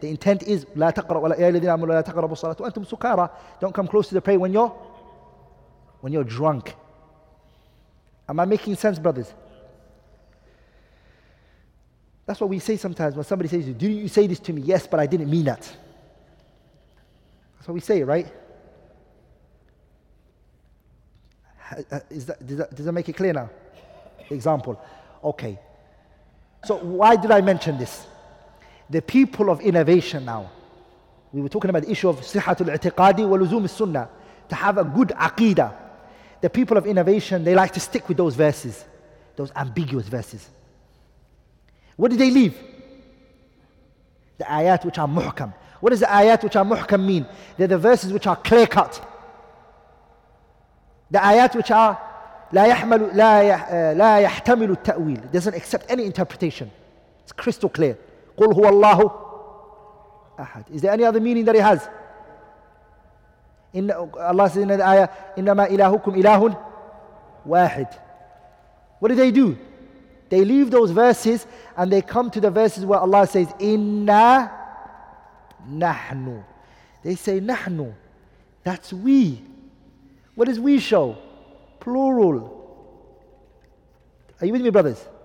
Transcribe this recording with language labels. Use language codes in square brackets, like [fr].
[en] The intent is [ar] لا تقرأ ولا يا الذين آمنوا لا تقربوا الصلاة وأنتم سكارى. [en] Don't come close to the prayer when you're drunk. Am I making sense, brothers? That's what we say sometimes when somebody says, "Do you say this to me?" Yes, but I didn't mean that. That's what we say, right? Does that make it clear now? Example. Okay. So why did I mention this? The people of innovation now. We were talking about the issue of sihatul i'tiqadi wa luzum as-sunnah. To have a good aqeedah. The people of innovation, they like to stick with those verses. Those ambiguous verses. What did they leave? The ayat which are muhkam. What does the ayat which are muhkam mean? They're the verses which are clear cut. The ayat which are [ar] لا يحتمل التأويل. [en] It doesn't accept any interpretation. It's crystal clear. [ar] قل هو الله أحد. [en] Is there any other meaning that it has? Allah says in the ayah, [ar] إنما إلهكم إله واحد. [en] What did they do? They leave those verses and they come to the verses where Allah says, Inna nahnu. They say, nahnu. That's we. What does we show? Plural. Are you with me, brothers?